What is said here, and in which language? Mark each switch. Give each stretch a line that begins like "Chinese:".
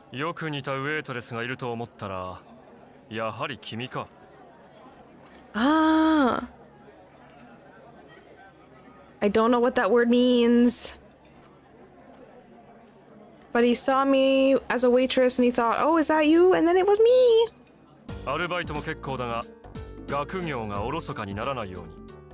Japanese: よく似たウェイトレスがいると思ったら、やはり君か。
English: Ah, I don't know what that word means, but he saw me as a waitress and he thought, oh, is that you? And then it was me.
Japanese: アルバイトも結構だが、学業がおろそかにならないように。